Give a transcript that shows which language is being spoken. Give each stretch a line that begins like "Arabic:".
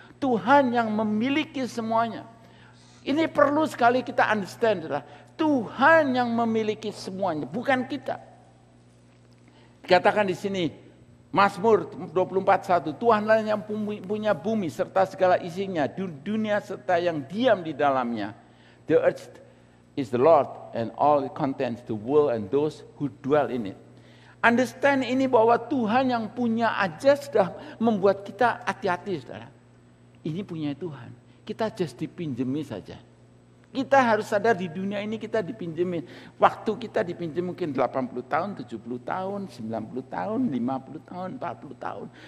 Indonesian: Tuhan yang memiliki semuanya. Ini perlu sekali kita understand. Tuhan yang memiliki semuanya, bukan kita. Dikatakan di sini Mazmur 24:1, Tuhanlah yang punya bumi serta segala isinya, dunia serta yang diam di dalamnya.
English: The earth is the Lord and all it contains, the world and those who dwell in it.
Indonesian: Understand ini bahwa Tuhan yang punya aja sudah membuat kita hati-hati, saudara. Ini punya Tuhan. Kita just dipinjemi saja. Kita harus sadar di dunia ini kita dipinjemi. Waktu kita dipinjem mungkin 80 tahun, 70 tahun, 90 tahun, 50 tahun, 40 tahun.